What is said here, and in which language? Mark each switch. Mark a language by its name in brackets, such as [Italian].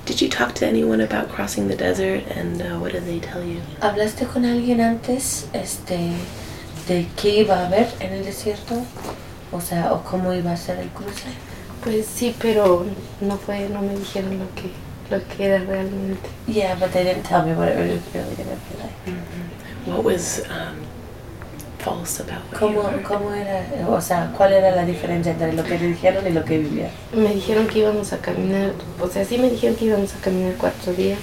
[English] Did you talk to anyone about crossing the desert and what did they tell you? [Spanish] ¿Hablaste con alguien antes? ¿De qué iba a haber en el desierto? O sea, ¿o cómo iba a ser el cruce? Pues sí, pero no me dijeron lo que era realmente. [English] Yeah, but they didn't tell me what it was really going to be like. Mm-hmm. What was false about what [Spanish] ¿Cómo era? O sea, ¿cuál era la diferencia entre lo que dijeron y lo que vivía? Me dijeron que íbamos a caminar, o sea, sí me dijeron que íbamos a caminar 4 días.